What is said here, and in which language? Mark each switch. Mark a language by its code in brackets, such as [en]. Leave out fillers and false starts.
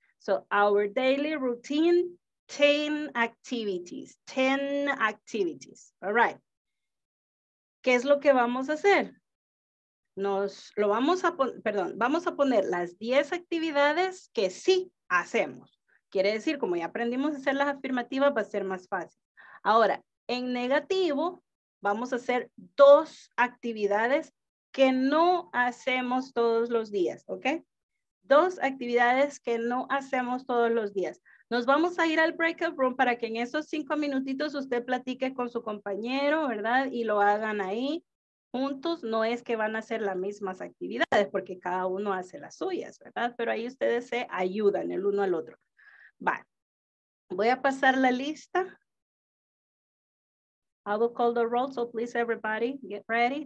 [en] So, our daily routine, 10 activities, 10 activities, all right. [es] ¿Qué es lo que vamos a hacer? Vamos a poner las 10 actividades que sí hacemos. Quiere decir, como ya aprendimos a hacer las afirmativas, va a ser más fácil. Ahora, en negativo, vamos a hacer 2 actividades que no hacemos todos los días, ¿ok? 2 actividades que no hacemos todos los días. Nos vamos a ir al breakout room para que en esos 5 minutitos usted platique con su compañero, ¿verdad? Y lo hagan ahí juntos. No es que van a hacer las mismas actividades porque cada uno hace las suyas, ¿verdad? Pero ahí ustedes se ayudan el uno al otro. Vale. Voy a pasar la lista. [en] I will call the roll, so please everybody get ready.